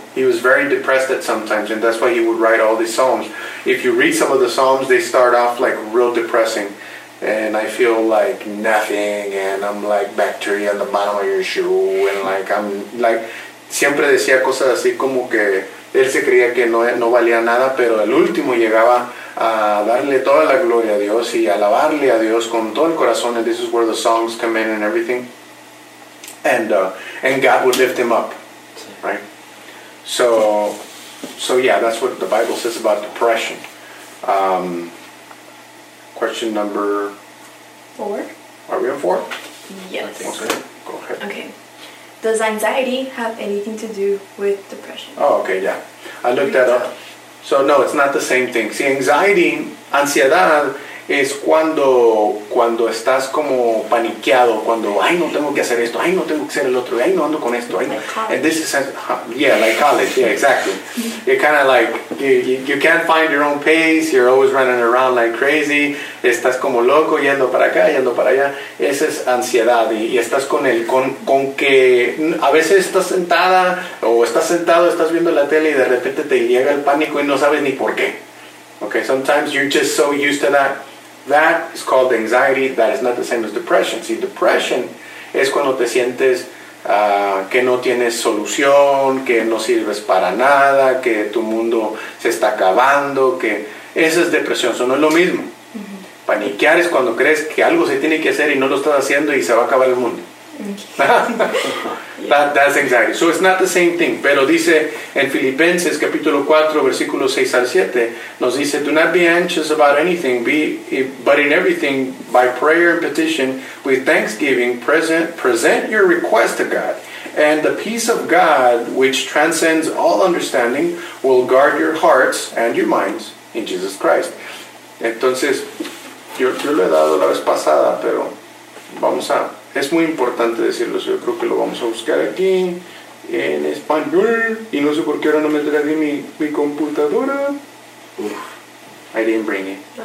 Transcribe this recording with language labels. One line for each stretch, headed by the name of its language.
English: He was very depressed at some times, and that's why he would write all these Psalms. If you read some of the Psalms, they start off like real depressing. And I feel like nothing, and I'm like bacteria on the bottom of your shoe, and like I'm like.
Spanish: Siempre decía cosas así como que él se creía que no valía nada, pero el último llegaba a darle toda la gloria a Dios y alabarle a Dios con todo el corazón.
English: And this is where the songs come in and everything. And God would lift him up, right? So yeah, that's what the Bible says about depression. Question number four. Are we on four? Yes. Okay. Go ahead. Okay. Does anxiety have anything to do with depression? Oh, okay. Yeah. I looked that up. So no, it's not the same thing. See, anxiety,
Spanish: ansiedad, es cuando estás como paniqueado, cuando ay no tengo que hacer esto, ay no tengo que hacer el otro, ay no ando con esto, ay no.
English: And this is like college. Yeah, exactly. You're kind of like you can't find your own pace. You're always running around like crazy.
Spanish: Estás como loco yendo para acá, yendo para allá. Esa es ansiedad y estás con que a veces estás sentada o estás sentado, estás viendo la tele y de repente te llega el pánico y no sabes ni por qué.
English: Okay, sometimes you're just so used to that. That is called anxiety. That is not the same as depression. See, depression is
Spanish: cuando te sientes que no tienes solución, que no sirves para nada, que tu mundo se está acabando, que esa es depresión. Eso no es lo mismo. Mm-hmm. Paniquear es cuando crees que algo se tiene que hacer y no lo estás haciendo y se va a acabar el mundo.
English: Okay. That's anxiety. So it's not the same thing.
Spanish: Pero dice en Filipenses capítulo 4 versículo 6 al 7 nos dice,
English: do not be anxious about anything, but in everything by prayer and petition with thanksgiving present your request to God, and the peace of God, which transcends all understanding, will guard your hearts and your minds in Jesus Christ.
Spanish: Entonces yo lo he dado la vez pasada, pero vamos a... Es muy importante decirlo. Yo creo que lo vamos a buscar aquí en español. Y no sé por qué ahora no me traje mi computadora. Uf,
English: I didn't bring it.